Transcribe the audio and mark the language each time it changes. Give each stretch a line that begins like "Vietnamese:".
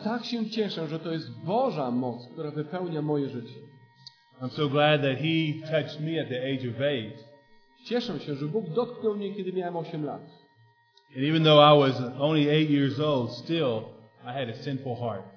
Polish: I tak się cieszę, że to jest Boża moc, która wypełnia moje życie.
English: I'm so glad that he touched me at the age of 8.
Polish: Cieszę się, że Bóg dotknął mnie, kiedy miałem 8 lat.
English: And even though I was only 8 years old, still I had a sinful heart.